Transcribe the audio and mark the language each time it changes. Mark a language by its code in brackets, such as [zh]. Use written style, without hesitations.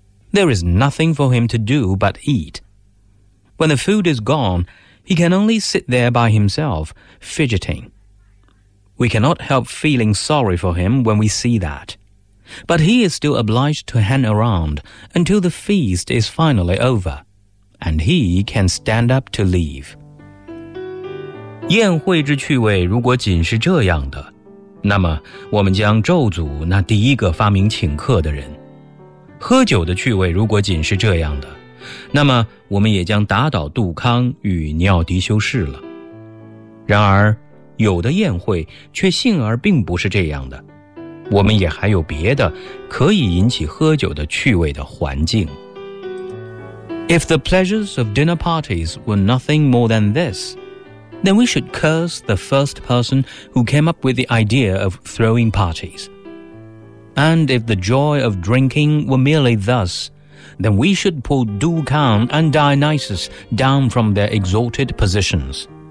[en] There is nothing for him to do but eat. When the food is gone, he can only sit there by himself, fidgeting. We cannot help feeling sorry for him when we see that. But he is still obliged to hang around until the feast is finally over, and he can stand up to leave. [zh] 宴会之趣味如果仅是这样的，那么我们将咒诅那第一个发明请客的人。喝酒的趣味如果仅是这样的，那么我们也将打倒杜康与尼奥迪修士了。然而有的宴会却幸而并不是这样的，我们也还有别的可以引起喝酒的趣味的环境。 [en] If the pleasures of dinner parties were nothing more than thisThen we should curse the first person who came up with the idea of throwing parties. And if the joy of drinking were merely thus, then we should pull Du Kang and Dionysus down from their exalted positions.